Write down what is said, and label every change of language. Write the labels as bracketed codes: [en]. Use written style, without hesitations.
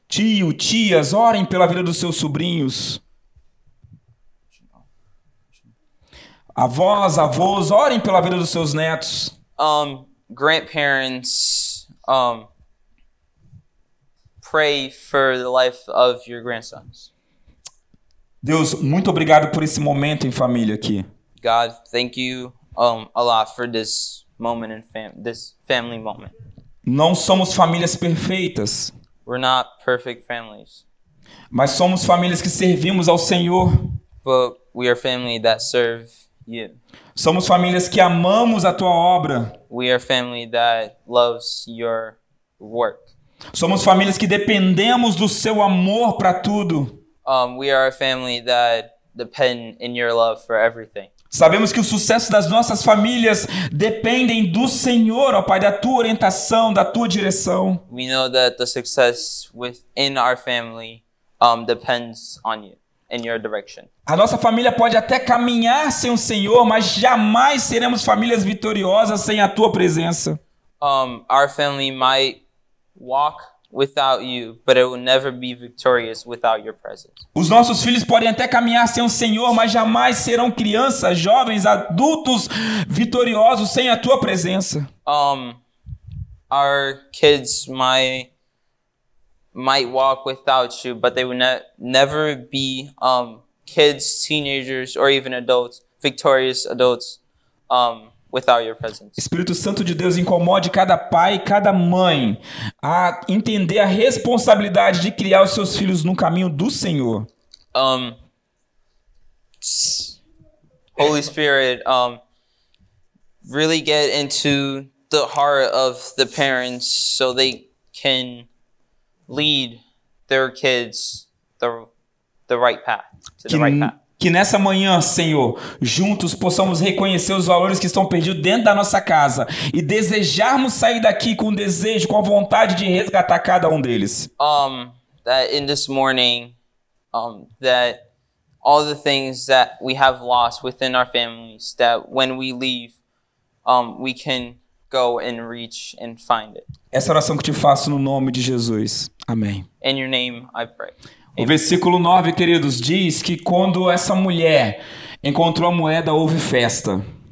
[pt] Tio, tias, orem pela vida dos seus sobrinhos. Avós, avós, orem pela vida dos seus netos. [en] Grandparents, pray for the life of your grandsons. [pt] Deus, muito obrigado por esse momento em família aqui. [en] God, thank you a lot for this moment in this family moment. [pt] Não somos famílias perfeitas. [en] We're not perfect families. [pt] Mas somos famílias que servimos ao Senhor. [en] But we are family that serve you. [pt] Somos famílias que amamos a tua obra. [en] We are family that loves your work. [pt] Somos famílias que dependemos do seu amor para tudo. [en] We are a family that depend in your love for everything. [pt] Sabemos que o sucesso das nossas famílias dependem do Senhor, ó Pai, da tua orientação, da tua direção. [en] We know that the success within our family depends on you, in your direction. [pt] A nossa família pode até caminhar sem o Senhor, mas jamais seremos famílias vitoriosas sem a tua presença. [en] Our family might walk without you, but it will never be victorious without your presence. [pt] Os nossos filhos podem até caminhar sem o Senhor, mas jamais serão crianças, jovens, adultos vitoriosos sem a tua presença. [en] Our kids might walk without you, but they will never be kids, teenagers, or even adults, victorious adults, without your presence. [pt] Espírito Santo de Deus, incomode cada pai e cada mãe a entender a responsabilidade de criar os seus filhos no caminho do Senhor. [en] Holy Spirit, really get into the heart of the parents so they can lead their kids the right path. [pt] Que nessa manhã, Senhor, juntos possamos reconhecer os valores que estão perdidos dentro da nossa casa e desejarmos sair daqui com o desejo, com a vontade de resgatar cada um deles. [en] That in this morning, that all the things that we have lost within our families, that when we leave, we can go and reach and find it. [pt] Essa oração que te faço no nome de Jesus. Amém. [en] In your name I pray. [pt] O versículo 9, queridos, diz que quando essa mulher encontrou a moeda, houve festa.